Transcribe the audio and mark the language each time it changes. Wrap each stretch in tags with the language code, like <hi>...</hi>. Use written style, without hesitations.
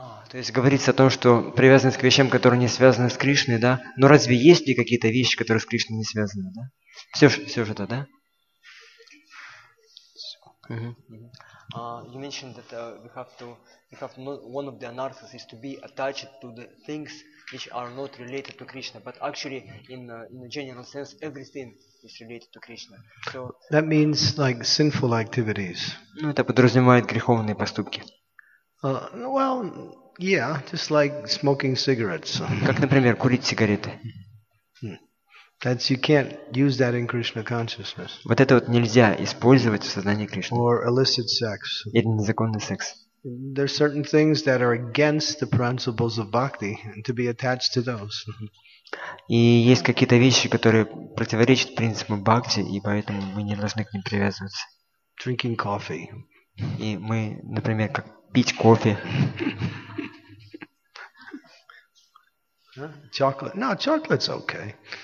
<ru>То есть говорится о том, что привязанность к вещам, которые не связаны с Кришной, да? Но разве есть ли какие-то вещи, которые с Кришной не связаны, да? Все же это, да?</ru> <en>You mentioned that we have to one of the anarthas is to be attached to the things which are not related to Krishna, but actually in a general sense everything is related to Krishna. So that means like sinful activities.</en> <ru>Ну это подразумевает греховные поступки.</ru> <en>Well, yeah, just like smoking cigarettes.</en> <ru>Как, например, курить сигареты.</ru> <en>That's you can't use that in Krishna consciousness.</en> <ru>Вот это вот нельзя использовать в сознании Кришны.</ru> <en>Or illicit sex.</en> <ru>Или незаконный секс.</ru> <en>There are certain things that are against the principles of bhakti, and to be attached to those.</en> <ru>И есть какие-то вещи, которые противоречат принципам бхакти, и поэтому мы не должны к ним привязываться.</ru> <en>Drinking coffee.</en> <ru>И мы, например, как пить кофе.</ru> <en>Chocolate? No, chocolate's okay.</en>